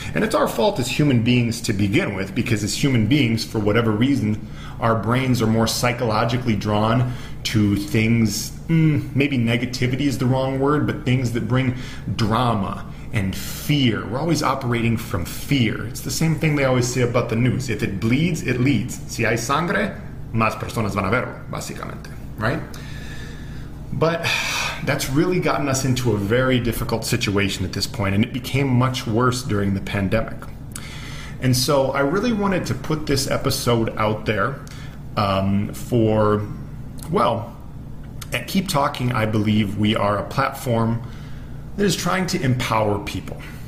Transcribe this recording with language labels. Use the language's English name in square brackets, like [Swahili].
[English] And it's our fault as human beings to begin with, because as human beings, for whatever reason, our brains are more psychologically drawn to things, maybe negativity is the wrong word, but things that bring drama and fear. We're always operating from fear. It's the same thing they always say about the news. If it bleeds, it leads. [Spanish] Si hay sangre, más personas van a verlo, básicamente, right? [English] But that's really gotten us into a very difficult situation at this point, and it became much worse during the pandemic. And so I really wanted to put this episode out there at Keep Talking, I believe we are a platform that is trying to empower people.